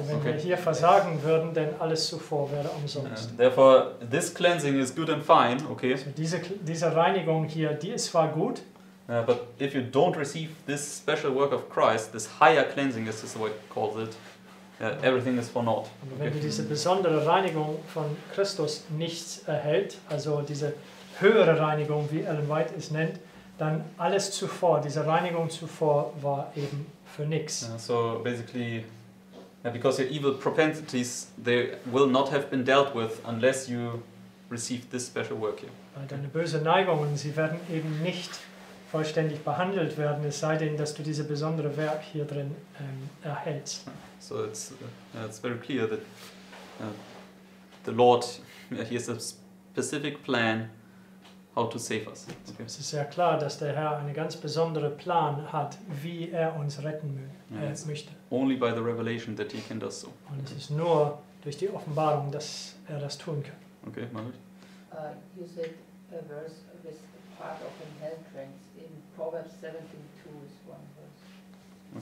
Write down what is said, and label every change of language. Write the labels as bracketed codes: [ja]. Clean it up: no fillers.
[de] Wenn wir hier versagen würden, denn alles zuvor wäre umsonst. [en] Therefore, this cleansing is good and fine, okay? [de] So diese Reinigung hier, die ist zwar gut. [en] But if you don't receive this special work of Christ, this higher cleansing, as Sister White calls it, everything is for naught. Okay? [de] Wenn du diese besondere Reinigung von Christus nicht erhält, also diese höhere Reinigung, wie Ellen White es nennt, dann alles zuvor, diese Reinigung zuvor war eben für nix. [en] So basically, because your evil propensities, they will not have been dealt with unless you receive this special work here. [de] Weil deine böse Neigungen, sie werden eben nicht vollständig behandelt werden, es sei denn, dass du diese besondere Werk hier drin erhältst. [en] So it's it's very clear that the Lord, he has a specific plan how to save us. Okay. [de] Es ist sehr klar, dass der Herr einen ganz besonderen Plan hat, wie er uns retten möchte. [en] Only by the revelation that he can do so. [de] Und es ist nur durch die Offenbarung, dass er das tun kann. [en] Okay, Margaret. You said a verse with part of an hell trance in Proverbs 17:2 is one verse.